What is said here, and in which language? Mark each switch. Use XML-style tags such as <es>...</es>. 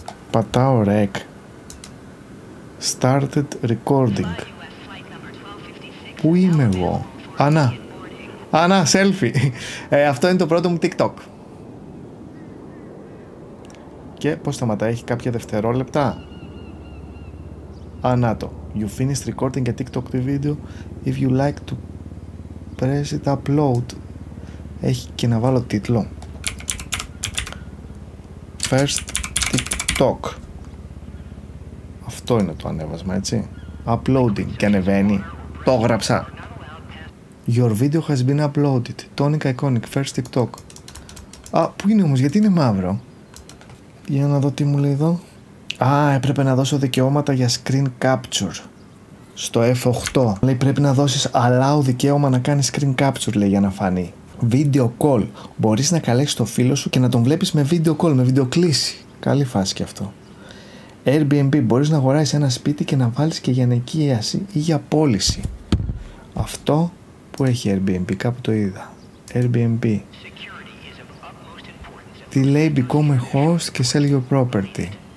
<el>Πατάω rec.</el> <en>Started recording.</en> <el>Πού είμαι εγώ. Ανά. Ανά, selfie. Αυτό είναι το πρώτο μου TikTok. Και πώς σταματάει, έχει κάποια δευτερόλεπτα. Ανά το.</el> <en>You finished recording a TikTok video. If you like to press it upload.</en> <el>Έχει και να βάλω τίτλο.</el> <en>First TikTok.</en> <el>Αυτό είναι το ανέβασμα, έτσι.</el> <en>Uploading.</en> <el>Και ανεβαίνει. Το έγραψα.</el> <en>Your video has been uploaded. Tonic Iconic. First TikTok.</en> <el>Α, πού είναι όμως, γιατί είναι μαύρο. Για να δω τι μου λέει εδώ. Α, έπρεπε να δώσω δικαιώματα για screen capture. Στο F8. Λέει πρέπει να δώσεις allow δικαίωμα να κάνεις screen capture, λέει, για να φανεί. Video call. Μπορείς να καλέσεις το φίλο σου και να τον βλέπεις με video call, με βιντεοκλήση. Καλή φάση και αυτό. Airbnb. Μπορείς να αγοράσεις ένα σπίτι και να βάλεις και για νοικίαση ή για πώληση. Αυτό που έχει Airbnb. Κάπου το είδα. Airbnb. Τι λέει,</el> <en>become a host και sell your property.</en>